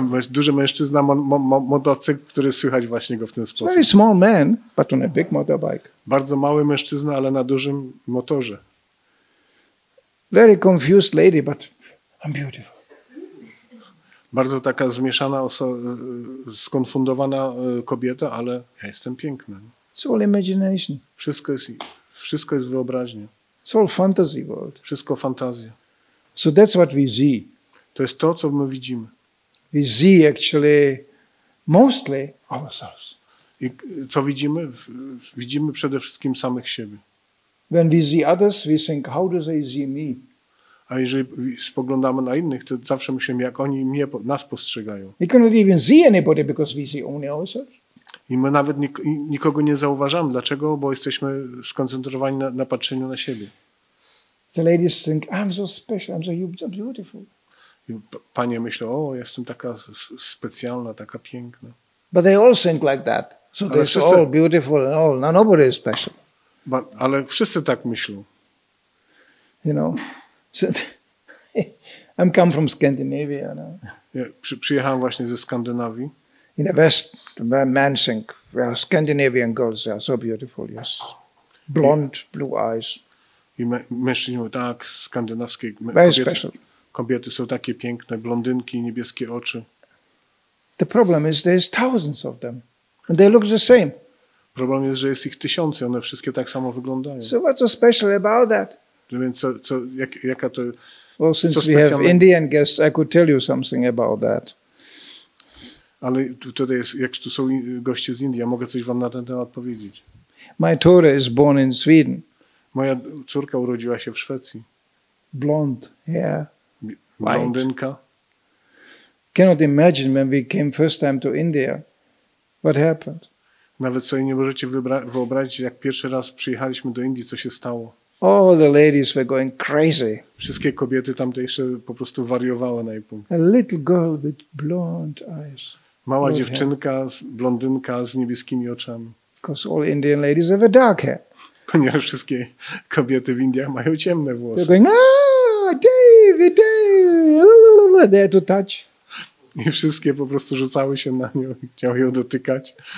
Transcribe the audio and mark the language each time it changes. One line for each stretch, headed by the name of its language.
Polish: Duży mężczyzna ma motocykl, który słychać właśnie go w ten sposób.
English: Very small man, but on a big motorbike.
Polish: Bardzo mały mężczyzna, ale na dużym motorze.
English: Very confused lady, but I'm beautiful.
Polish: Bardzo taka zmieszana, skonfundowana kobieta, ale ja jestem piękna.
English: It's all imagination.
Polish: Wszystko jest wyobraźnia.
English: It's all fantasy world.
Polish: Wszystko fantazja.
English: So that's what we see.
Polish: To jest to, co my widzimy.
English: We see actually mostly ourselves.
Polish: I co widzimy? Widzimy przede wszystkim samych siebie.
English: When we see others, we think, how do they see me?
Polish: A jeżeli spoglądamy na innych, to zawsze myślimy, jak oni nas postrzegają.
English: We cannot even see anybody because we see only ourselves.
Polish: I my nawet nikogo nie zauważamy. Dlaczego? Bo jesteśmy skoncentrowani na patrzeniu na siebie.
English: The ladies think, I'm so special, I'm so beautiful.
Polish: Panie myślą, o, jestem taka specjalna, taka piękna.
English: But they all think like that. So they're all beautiful and all. Now nobody is special.
Polish: Ale wszyscy tak myślą.
English: You know, so, I'm come from Scandinavia.
Polish: No? Ja przyjechałem właśnie ze Skandynawii.
English: In the West, the men think, well, Scandinavian girls are so beautiful, yes. Blonde, blue eyes.
Polish: I mężczyźni mówią, tak, skandynawskie kobiety są takie piękne, blondynki, niebieskie oczy.
English: The problem is there is thousands of them. And they look the same.
Polish: Problem jest, że jest ich tysiące, one wszystkie tak samo wyglądają.
English: So what's so special about that?
Polish: Więc jaka to...
English: Well, since we have Indian guests, I could tell you something about that.
Polish: Ale tutaj jak tu są goście z Indii, ja mogę coś wam na ten temat powiedzieć.
English: My daughter is born in Sweden.
Polish: Moja córka urodziła się w Szwecji.
English: Blond, yeah.
Polish: Blondynka.
English: Cannot imagine when we came first time to India, what happened.
Polish: Nawet sobie nie możecie wyobrazić, jak pierwszy raz przyjechaliśmy do Indii, co się stało.
English: All the ladies were going crazy.
Polish: Wszystkie kobiety tamtejsze po prostu wariowały na jej punkt.
English: A little girl with blonde eyes.
Polish: Mała dziewczynka, blondynka z niebieskimi oczami.
English: Because all Indian ladies have a dark hair.
Polish: ponieważ wszystkie kobiety w Indiach mają ciemne włosy.
English: They're going, David, David, there to touch.
Polish: I wszystkie po prostu rzucały się na nią i chciały ją dotykać.